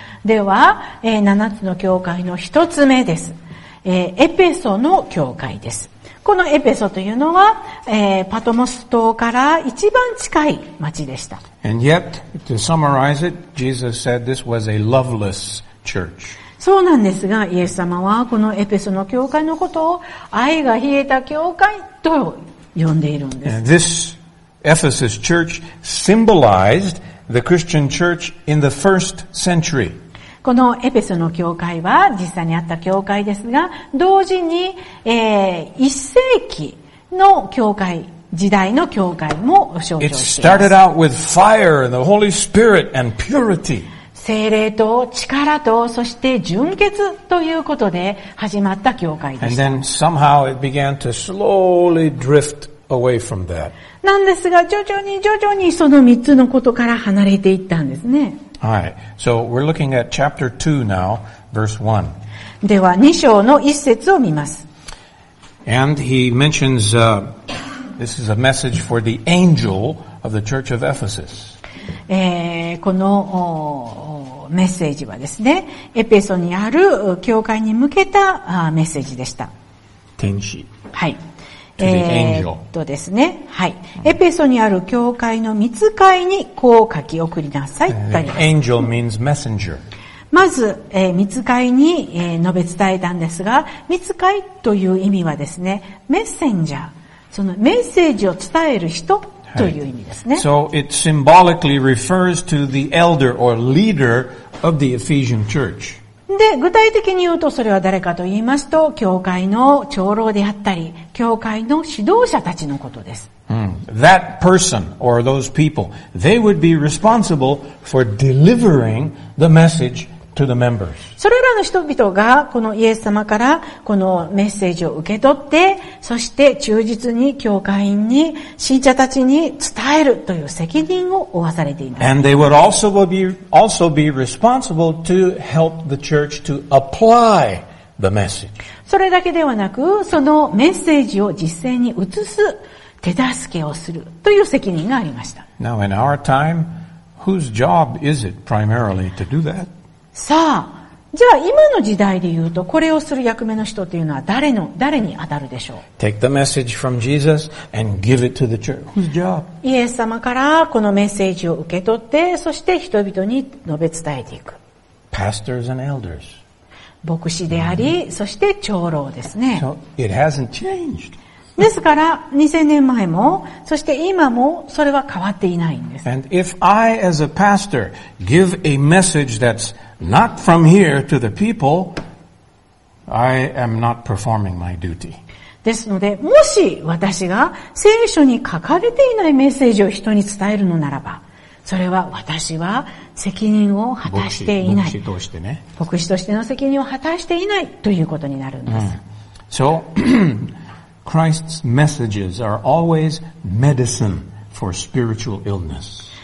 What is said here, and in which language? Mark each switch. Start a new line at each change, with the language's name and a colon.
Japanese: では、7つの教会の一つ目です。エペソの教会です。このエペソというのは、パトモス島から一番近い町でした。
English: And yet, to summarize it, Jesus said this was a loveless church.
Japanese: そうなんですが、イエス様はこのエペソの教会のことを愛が冷えた教会と呼んでいるんです。
English: And this Ephesus church symbolized the Christian church in the first century.
Japanese: このエペソの教会は実際にあった教会ですが、同時に、1世紀の教会、時代の教会も象徴しています。
English: It started out with fire and the Holy Spirit and purity.
Japanese: 聖霊と力とそして純潔ということで始まった教会でした。
English: And then somehow it began to slowly drift away from that.
Japanese: なんですが、徐々に徐々にその3つのことから離れていったんですね。
English: はい。So, we're looking at chapter 2 now, verse 1.
Japanese: では、2章の1節を見ます。
English: And he mentions, this is a message for the angel of the church of Ephesus.
Japanese: このメッセージはですね、エペソにある教会に向けたメッセージでした。天使。はい。
English: To the angel.
Japanese: ですね。はい。エペソにある教会の御使いにこう書き送りなさい。
English: Angel means messenger.
Japanese: まず、御使いに、述べ伝えたんですが、御使いという意味はですね、メッセンジャー。そのメッセージを伝える人という意味ですね。
English: Right. So it symbolically refers to the elder or leader of the Ephesian church.
Japanese: で、具体的に言うと、それは誰かと言いますと、教会の長老であったり、教会の指導者たちのことです。
English: That person or those people, they would be responsible for delivering the message to the members.
Japanese: それらの人々が、このイエス様からこのメッセージを受け取って、そして忠実に教会員に、信者たちに伝えるという責任を負わされています。
English: And they would also be responsible to help the church to apply the message.
Japanese: それだけではなく、そのメッセージを実践に移す手助けをするという責任がありました。
English: Now in our time, whose job is it primarily to do that?
Japanese: さあ、じゃあ今の時代で言うと、これをする役目の人というのは誰に当たるでしょう。
English: Take the message from Jesus and give it to the church. Whose job?
Japanese: イエス様からこのメッセージを受け取って、そして人々に述べ伝えていく。
English: Pastors and elders.
Japanese: 牧師であり、そして長老ですね。
English: So it hasn't changed.
Japanese: ですから2000年前も、そして今もそれは変わっていないんです。
English: And if I as a pastor give a message that'sNot from here to the people, I am not performing my duty.
Japanese: ですのでもし私が聖書に書かれていないメッセージを人に伝えるのならばそれは私は責任を果たしていない牧師としてね牧師としての責任を果たしていないということになるんです、うん、
English: So Christ's messages are always medicine for spiritual illness